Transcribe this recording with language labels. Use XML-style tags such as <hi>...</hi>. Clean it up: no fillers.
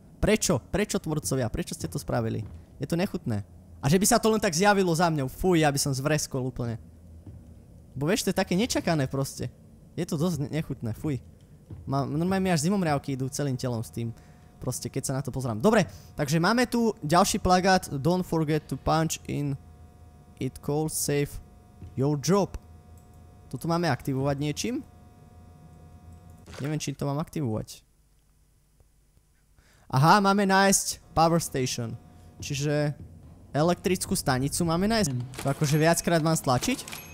<sk>Prečo? Prečo tvorcovia? Prečo ste to spravili? Je to nechutné. A že by sa to len tak zjavilo za mňou, fuj, ja by som zvreskol úplne. Bo vieš, to je také nečakané proste. Je to dosť nechutné, fuj. Normálne mi až zimomriavky idú celým telom s tým. Proste, keď sa na to pozrám. Dobre, takže máme tu ďalší plagát.</sk> <en>Don't forget to punch in it cold save your job.</en> <sk>Toto máme aktivovať niečím? Neviem, či to mám aktivovať. Aha, máme nájsť power station. Čiže elektrickú stanicu máme nájsť. To akože viackrát mám stlačiť.</sk>